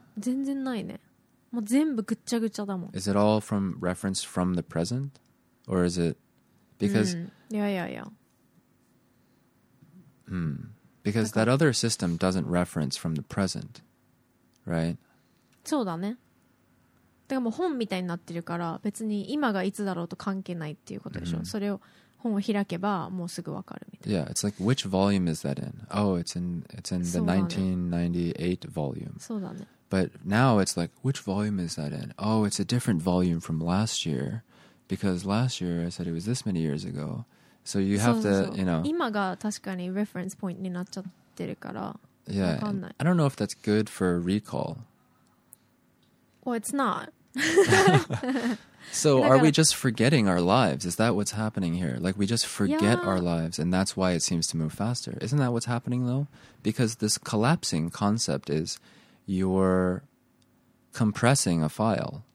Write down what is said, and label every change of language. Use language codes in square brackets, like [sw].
[ja] 全然ないね。もう全部ぐっちゃぐちゃだもん。 [en] Is it all from reference from the present? Or is it because... Yeah, yeah, yeah. Because that other system doesn't reference from the present, right? [ja] そうだね。だからもう本みたいになってるから、別に今がいつだろうと関係ないっていうことでしょ。それを本を開けばもうすぐわかるみたいな。 [en] Yeah, it's like which volume is that in? Oh, it's in the 1998 volume. [ja] そうだね。 [en] But now it's like which volume is that in? Oh, it's a different volume from last year, because last year I said it was this many years ago. So you have to, you know. [ja] 今が確かにレファレンスポイントになっちゃってるから。 [en] Yeah. [ja] わかんない。 [en] I don't know if that's good for recall. Well, it's not. So are we just forgetting our lives? Is that what's happening here? Like we just forget our lives and that's why it seems to move faster. Isn't that what's happening though? Because this collapsing concept is you're compressing a file.